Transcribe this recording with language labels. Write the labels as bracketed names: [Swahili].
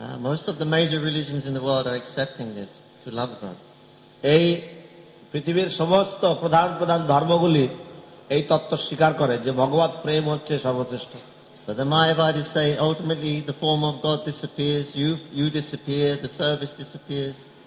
[English] Most of the major religions in the world are accepting this, to love God. [Bangla] এই পৃথিবীর সমস্ত প্রধান প্রধান ধর্মগুলি এই তত্ত্ব স্বীকার করে যে ভগবত প্রেম হচ্ছে সর্বশ্রেষ্ঠ। [English] But the Mayavadis say ultimately the form of God disappears, you disappear, the service disappears.